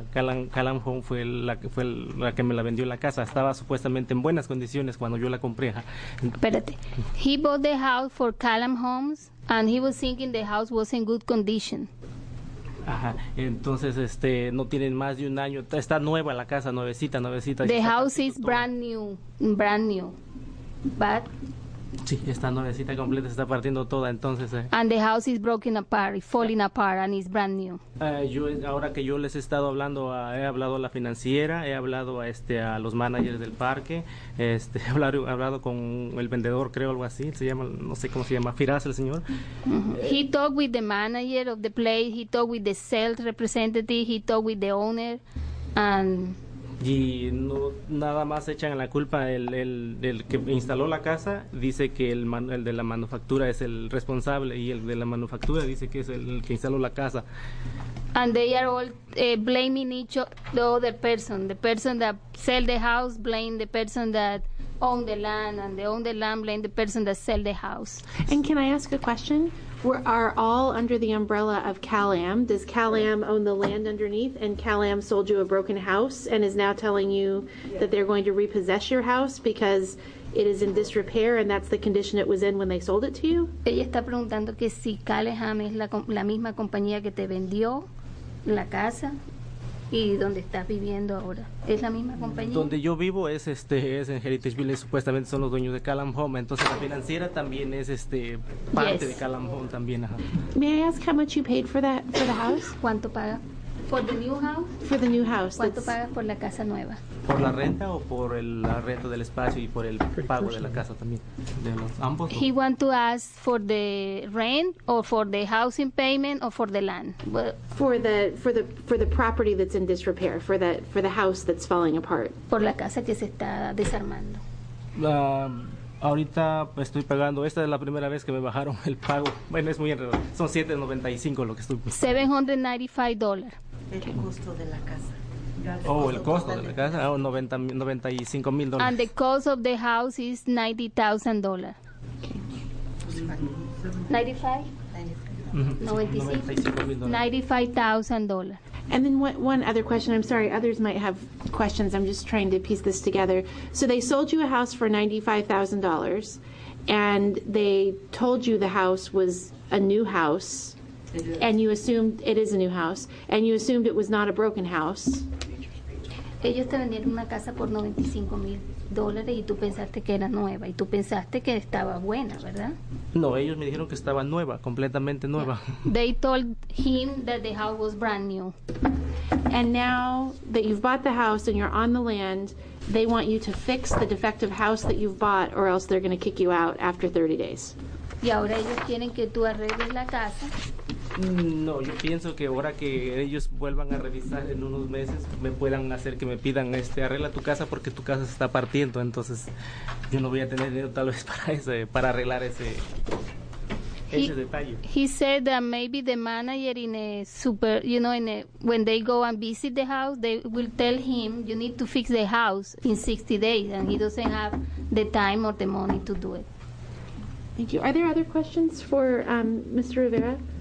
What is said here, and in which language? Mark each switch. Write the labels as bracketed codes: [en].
[es] Callum Home fue la que me la vendió la casa. Estaba supuestamente en buenas condiciones cuando yo la compré. Espérate. [en] He bought the house for Callum Homes and he was thinking the house was in good condition. Ajá. [es] Entonces no tienen más de un año, está nueva la casa, nuevecita. [en] The house is brand new. But [es] sí, está nuevecita completa, se está partiendo toda, entonces. [en] And the house is broken apart, falling apart, and it's brand new. [es] Ahora que yo les he estado hablando, he hablado a la financiera, he hablado a los managers del parque, he hablado con el vendedor, creo, algo así, se llama, no sé cómo se llama, Firas, el señor. Mm-hmm. [en] He talked with the manager of the place, he talked with the sales representative, he talked with the owner, and... [es] Y no, nada más echan la culpa el que instaló la casa, dice que el de la manufactura es el responsable y el de la manufactura dice que es el que instaló la casa. [en] And they are all blaming each other person. The person that sell the house blame the person that own the land and the own the land blame the person that sell the house. And can I ask a question? We are all under the umbrella of Cal-Am. Does Cal-Am own the land underneath and Cal-Am sold you a broken house and is now telling you that they're going to repossess your house because it is in disrepair and that's the condition it was in when they sold it to you? [es] Ella está preguntando que si Callahan es la misma compañía que te vendió la casa y donde estás viviendo ahora. ¿Es la misma compañía? Donde yo vivo es es en Heritage Village, supuestamente son los dueños de Callahan Home, entonces la financiera también es parte [en] yes. [es] de Callahan Home también. Ajá. [en] May I ask how much you paid for the house? [es] ¿Cuánto paga? [en] For the new house? For the new house. [es] ¿Cuánto pagas por la casa nueva? ¿Por la renta o por la renta del espacio y por el pago de la casa también? De los ambos. [en] He want to ask for the rent or for the housing payment or for the land. For the property that's in disrepair, for the house that's falling apart. [es] Por la casa que se está desarmando. Ahorita estoy pagando. Esta es la primera vez que me bajaron el pago. Bueno, es muy enredado. Son $795 lo que estoy pagando. [en] $795. [es] El costo de la casa. El costo de la casa. $95,000. [en] And the cost of the house is $90,000. Okay. $95,000. And then one other question. I'm sorry, others might have questions. I'm just trying to piece this together. So they sold you a house for $95,000, and they told you the house was a new house, and you assumed it is a new house, and you assumed it was not a broken house. [es] Ellos te vendieron una casa por $95,000 y tú pensaste que era nueva y tú pensaste que estaba buena, ¿verdad? No, ellos me dijeron que estaba nueva, completamente nueva. [en] They told him that the house was brand new. And now that you've bought the house and you're on the land, they want you to fix the defective house that you've bought or else they're going to kick you out after 30 days. [es] Y ahora ellos quieren que tú arregles la casa. No, yo pienso que ahora que ellos vuelvan a revisar en unos meses, me puedan hacer que me pidan arregla tu casa porque tu casa se está partiendo, entonces yo no voy a tener dinero tal vez para arreglar ese detalle. [en] He said that maybe the manager in a super, you know, in a, when they go and visit the house, they will tell him you need to fix the house in 60 days and he doesn't have the time or the money to do it. Thank you. Are there other questions for Mr. Rivera?